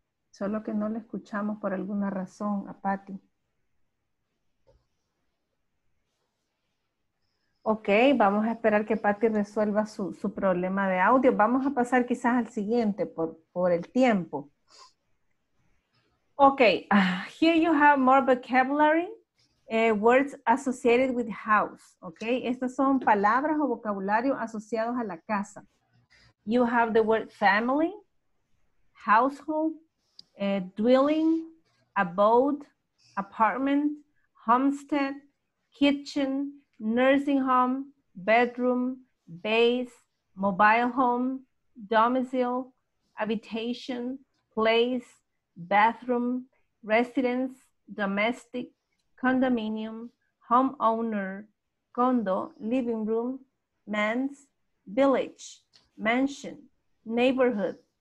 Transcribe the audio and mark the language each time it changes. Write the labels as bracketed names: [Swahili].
[Spanish] Solo que no la escuchamos por alguna razón a Patty. Ok, vamos a esperar que Patty resuelva su problema de audio. Vamos a pasar quizás al siguiente por el tiempo. [English] Ok, here you have more vocabulary, words associated with house. [Spanish] Ok, estas son palabras o vocabulario asociados a la casa. [English] You have the word family, household, dwelling, abode, apartment, homestead, kitchen, nursing home, bedroom, base, mobile home, domicile, habitation, place, bathroom, residence, domestic, condominium, homeowner, condo, living room, manse, village, mansion, neighborhood,